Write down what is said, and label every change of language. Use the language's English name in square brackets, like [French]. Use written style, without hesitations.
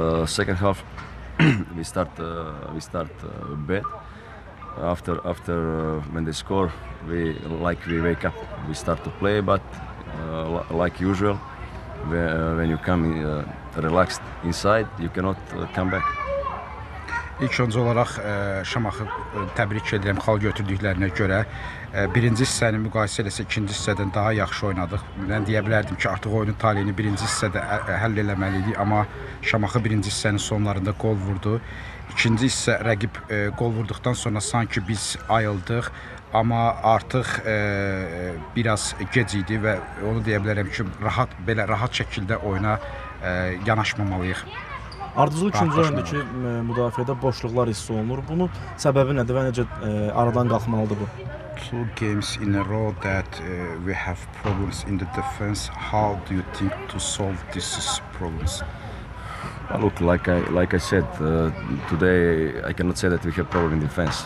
[English] Second half, we start bad. After when they score, we wake up. We start to play, but like usual, when you come relaxed inside, you cannot come back. [Azerbaijani] İlk öncə olaraq Şamaxı təbrik edirəm xal götürdüklərinə görə. Birinci hissəni müqayisə eləsə ikinci hissədən daha yaxşı oynadıq. Mən deyə bilərdim ki, artıq oyunun taleyini birinci hissədə həll eləməli idi, amma Şamaxı birinci hissənin sonlarında qol vurdu. İkinci hissə rəqib qol vurduqdan sonra sanki biz ayıldıq, amma artıq biraz gec idi və onu deyə bilərəm ki, rahat şəkildə oyuna yanaşmamalıyıq. Ardıcıl üçüncü oyundakı müdafiədə boşluqlar hiss olunur. Bunun səbəbi nədir və necə aradan qalxmalıdır bu? [English] Two games in a row that we have problems in the defense. How do you think to solve these problems? Well, look, like I said, today I cannot say that we have problem in defense.